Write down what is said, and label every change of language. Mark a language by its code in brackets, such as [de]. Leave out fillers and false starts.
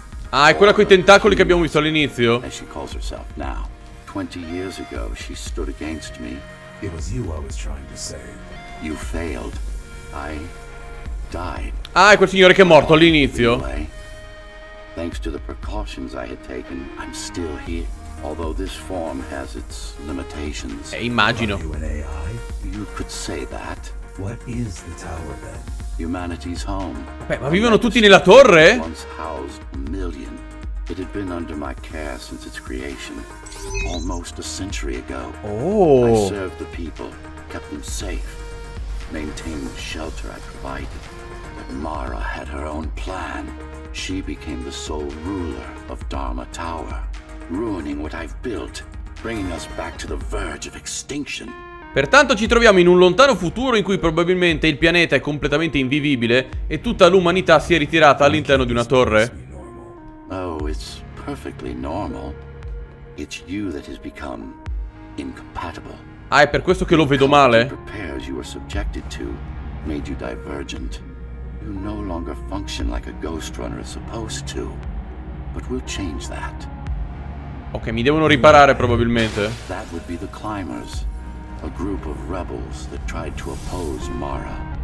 [it] Ah, è quella coi tentacoli che abbiamo visto all'inizio. [en] As she calls herself now. 20 years ago she stood against me. It was you I was trying to save. You failed. I died. [it] Ah, è quel signore che è morto all'inizio. [en] Thanks to the precautions I had taken, I'm still here. Although this form has its limitations. [it] Immagino. [en] Are you an AI? You could say that. What is the tower then? Humanity's home. [it] Beh, ma vivono tutti nella torre? [en] Once housed a million. It had been under my care since its creation, almost a century ago. Oh. I served the people, kept them safe, maintained the shelter I provided. But Mara had her own plan. She became the sole ruler of Dharma Tower, ruining what I've built, bringing us back to the verge of extinction. [it] Pertanto ci troviamo in un lontano futuro in cui probabilmente il pianeta è completamente invivibile e tutta l'umanità si è ritirata all'interno di una torre. [en] Oh, it's perfectly normal. It's you that has become incompatible. [it] Ah, è per questo che lo vedo male? [en] The prepares you were subjected to made you divergent. You no longer function like a ghost runner is supposed to. But we'll change that. [it] Ok, mi devono riparare probabilmente. [en] That would be the climbers. A group of rebels that tried to oppose Mara.